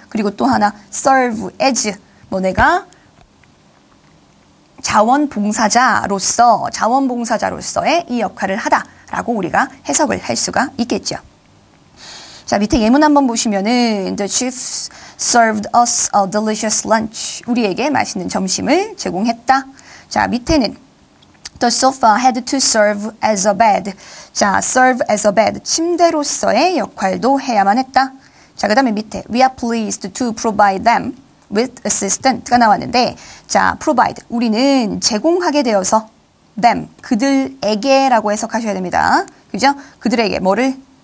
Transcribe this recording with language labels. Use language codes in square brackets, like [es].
[ko] 그리고 또 하나 serve as, 뭐 내가 자원봉사자로서, 자원봉사자로서의 이 역할을 하다라고 우리가 해석을 할 수가 있겠죠. 자, 밑에 예문 한번 보시면은 [en] The chief served us a delicious lunch. [ko] 우리에게 맛있는 점심을 제공했다. 자, 밑에는 [en] The sofa had to serve as a bed. 자, serve as a bed. [ko] 침대로서의 역할도 해야만 했다. 자, 그 다음에 밑에 [en] We are pleased to provide them with assistant [ko] 가 나왔는데 자, provide, 우리는 제공하게 되어서 them, 그들에게 라고 해석하셔야 됩니다. 그죠? 그들에게 뭐를?